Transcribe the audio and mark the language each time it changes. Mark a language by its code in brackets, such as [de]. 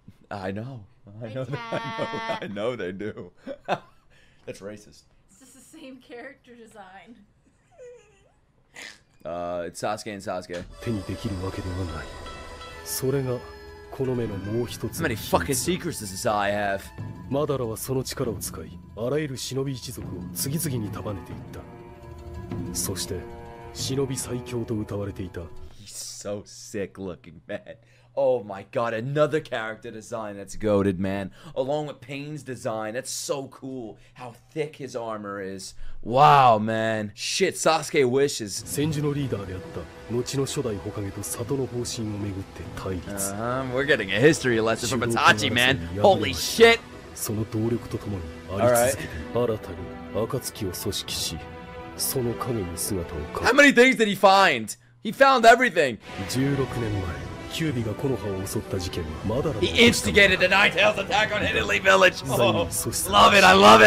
[en] I know they do. That's racist. It's just the same character design. It's Sasuke and Sasuke. [ja] 手にできるわけではない。それがこの目のもう一つ。 [en] How many fucking secrets does this eye have? [ja] マダラはその力を使い、あらゆる忍び一族を次々に束ねていった。そして、忍び最強と謳われていた。 [en] He's so sick looking, man. Oh my god, another character design that's goated, man. Along with Pain's design, that's so cool. How thick his armor is. Wow, man. Shit, Sasuke wishes. [ja] 戦時のリーダーであった後の初代ホカゲと里の方針をめぐって対立。 [en] We're getting a history lesson from Itachi, man. Holy shit! [ja] その動力とともにあり続けて、新たに暁を組織し、その影に姿を変え。 [en] How many things did he find? He found everything! [ja] 16年前、キュービがコノハを襲った事件はマダラ [en] の He instigated the Nine Tails attack on Hidden Leaf Village! Oh, love it! I love it!